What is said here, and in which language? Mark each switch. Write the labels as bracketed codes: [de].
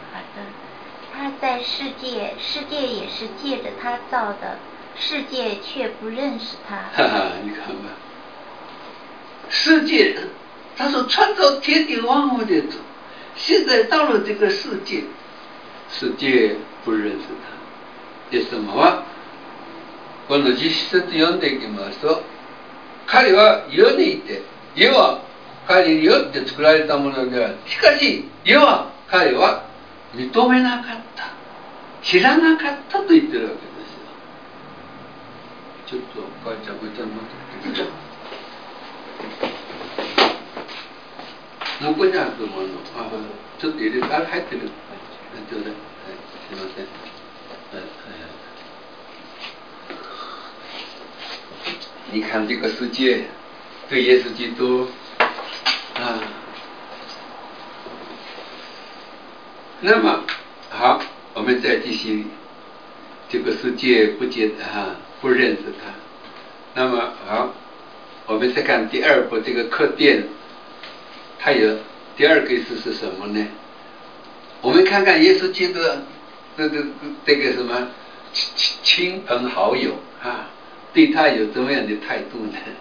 [zh] 好的，他在世界，世界也是借着他造的，世界却不认识他。哈哈，你看吧，世界，他说创造天地万物的主，现在到了这个世界，世界不认识他，这什么话？ [ja] この実質読んでいきますと、彼は世にいて、世は彼によって作られたものである。しかし世は彼は認めなかった、知らなかったと言ってるわけですよ。ちょっとお母ちゃんごちゃごちゃ向こうにあると思うの、あ、ちょっと入れて、あれ入ってる、はい、すいません、はい、 [zh] 你看这个世界对耶稣基督啊，那么好，我们再继续，这个世界不接啊，不认识他。那么好，我们再看第二部，这个客店它有第二个意思是什么呢？我们看看耶稣基督这个什么亲朋好友啊，对他有怎么样的态度呢？